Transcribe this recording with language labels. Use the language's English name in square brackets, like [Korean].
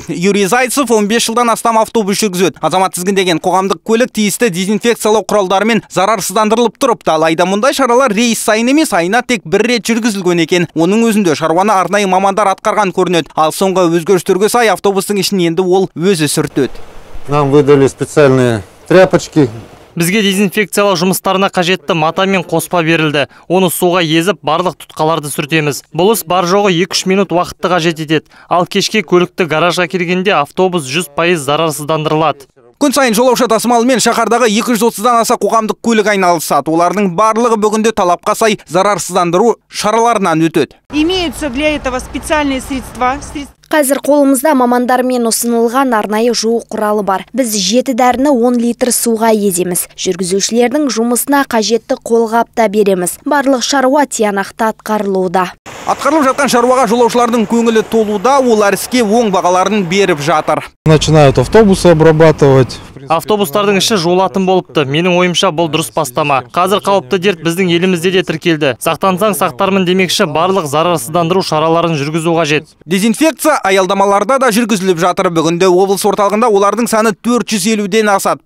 [Kazakh] Юрий Зайцев 15 жылдан астам автобус жүргізеді. Азамат тізгіндеген қоғамдық көлік тиісті дезинфекциялау құралдарымен зарарсыздандырылып тұрыпты. Алайда мұндай шаралар рейс сайын емес, айына тек бір рет жүргізілген екен. Оның өзінде шаруаны арнайы мамандар атқарған көрінеді. Ал соңғы өзгерістерге сай автобустың ішін енді ол өзі сүртеді. [Russian] Нам выдали специальные тряпочки. [Kazakh] Бізге дезинфекциялау жұмыстарына қажетті мата мен қоспа берілді. Оны суға езіп, барлық тұтқаларды сүртеміз. Бұл іс бар жоғы 2-3 минут уақытты қажет етеді. Ал кешке көлікті гаражға келгенде автобус 100% зарарсыздандырылады. Күн сайын жолаушы тасымалымен шахардағы 230-дан аса қоғамдық көлік айналысады. Олардың барлығы бүгінде талапқа сай зарарсыздандыру шараларынан өтеді. [Russian] Имеются для этого специальные средства. [Kazakh] Қазір қолымызда мамандармен ұсынылған арнайы жуы құралы бар. Біз 7 дәріні 10 литр суға еземіз. Жүргізушілердің жұмысына қажетті қолғапта береміз. Барлық шаруа тиянақты атқарылуда. Атқарылып жатқан шаруаға жолаушылардың көңілі толуда, олар іске оң бағаларын беріп жатыр. [Russian] Начинают автобусы обрабатывать. [Kazakh] Автобустардың іші жолатын болыпты. Менің ойымша бұл дұрыс бастама. Қазір қауіпті дерт біздің елімізде де тіркелді. Сақтансаң сақтармын демекші, барлық зарарсыздандыру шараларын жүргізу қажет. Дезинфекция аялдамаларда да жүргізіліп жатыр. Бүгінде облыс орталығында олардың саны 450-ден асады.